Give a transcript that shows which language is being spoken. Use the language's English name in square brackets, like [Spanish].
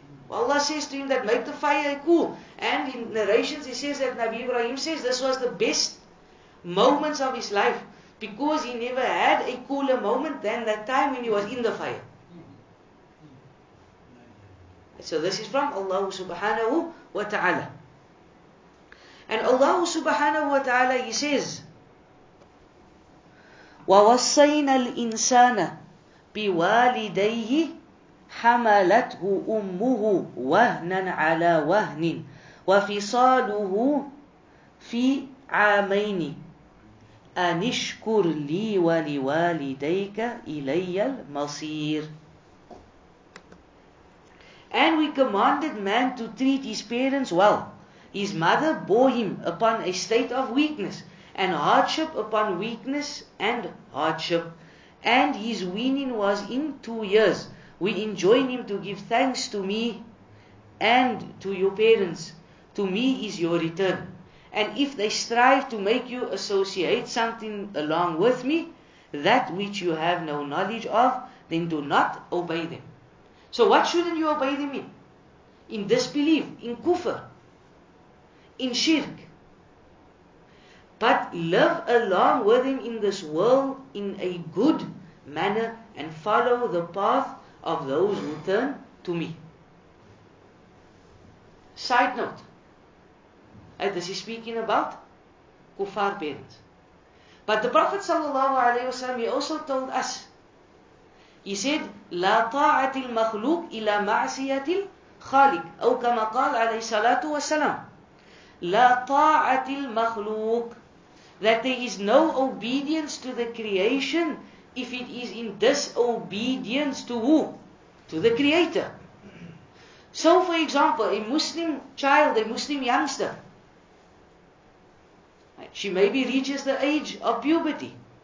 [English] Allah says to him that make the fire cool. And in narrations he says that Nabi Ibrahim says this was the best moments of his life, because he never had a cooler moment than that time when he was in the fire. So this is from Allah subhanahu wa ta'ala. And Allah subhanahu wa ta'ala, he says, [Arabic] وَوَصَّيْنَا الْإِنسَانَ بِوَالِدَيْهِ حملته أمه وهنا على وهن وفصاله في عامين أن اشكر لي ولوالديك إلي المصير. [English] And we commanded man to treat his parents well. His mother bore him upon a state of weakness and hardship upon weakness and hardship, and his weaning was in 2 years. We enjoin him to give thanks to me and to your parents. To me is your return. And if they strive to make you associate something along with me, that which you have no knowledge of, then do not obey them. So what shouldn't you obey them in? In disbelief, in kufr, in shirk. But live along with them in this world in a good manner and follow the path of those who turn to me. Side note. And this is speaking about kuffar parents. But the Prophet sallallahu alayhi wa sallam, he also told us. He said, [Arabic] لا طاعة المخلوق إلى معصية الخالق. أو كما قال عليه الصلاة والسلام. لا طاعة المخلوق. [English] That there is no obedience to the creation if it is in disobedience to who? To the Creator. So for example, a Muslim child, a Muslim youngster, she maybe reaches the age of puberty.